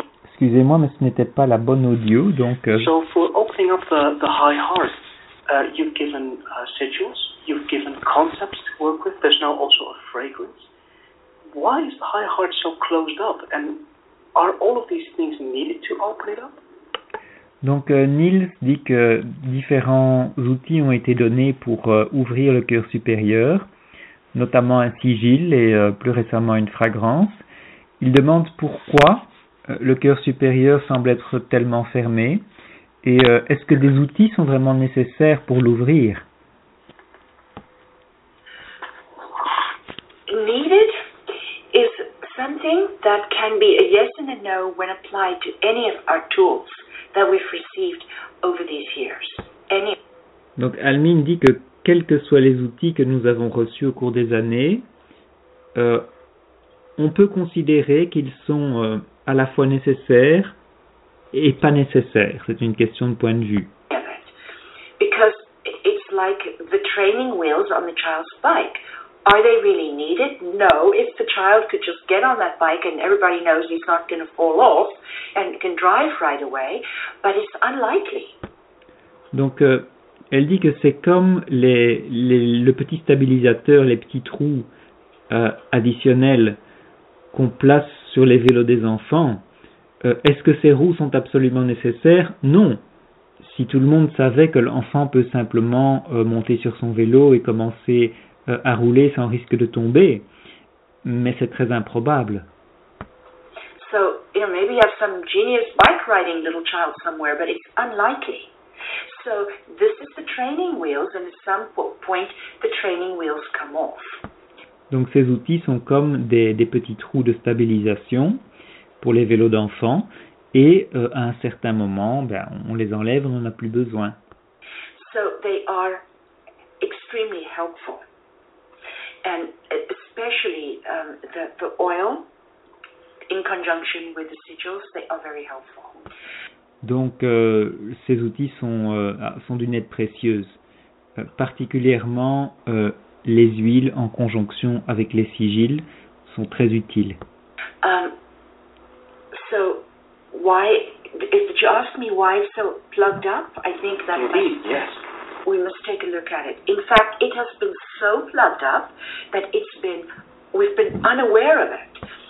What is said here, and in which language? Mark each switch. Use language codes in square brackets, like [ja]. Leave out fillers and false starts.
[fr] Excusez-moi, mais ce n'était pas la bonne audio, donc. [en] So for opening up the high heart, you've given sigils, you've given concepts to work with. There's now also a fragrance. Why is the high heart so closed up, and are all of these things needed to open it up? [fr] Donc Niels dit que différents outils ont été donnés pour ouvrir le cœur supérieur, notamment un sigil et plus récemment une fragrance. Il demande pourquoi. Le cœur supérieur semble être tellement fermé. Et est-ce que des outils sont vraiment nécessaires pour l'ouvrir? [en] Needed is something that can be a yes and a no when applied to any of our tools that we've received over these years. [fr] Donc Almin dit que quels que soient les outils que nous avons reçus au cours des années, on peut considérer qu'ils sont à la fois nécessaire et pas nécessaire. C'est une question de point de vue. [en] Because it's like the training wheels on the child's bike. Are they really needed? No. If the child could just get on that bike and everybody knows he's not going to fall off and can drive right away, but it's unlikely. [fr] Donc, elle dit que c'est comme le petit stabilisateur, les petits trous additionnels qu'on place sur les vélos des enfants. Est-ce que ces roues sont absolument nécessaires? Non. Si tout le monde savait que l'enfant peut simplement monter sur son vélo et commencer à rouler sans risque de tomber, mais c'est très improbable. [en] So, you know, maybe you have some genius bike riding little child somewhere, but it's unlikely. So, this is the training wheels, and at some point, the training wheels come off. [fr] Donc ces outils sont comme des petits trous de stabilisation pour les vélos d'enfants et à un certain moment, ben, on les enlève, on n'en a plus besoin. [en] So they are extremely helpful. And especially the oil in conjunction with the sigils, they are very helpful. [fr] Donc ces outils sont d'une aide précieuse, particulièrement les huiles en conjonction avec les sigils sont très utiles. [en] So why if you ask me why it's so plugged up, I think that we must take a look at it. In fact, it has been so plugged up that we've been unaware of it.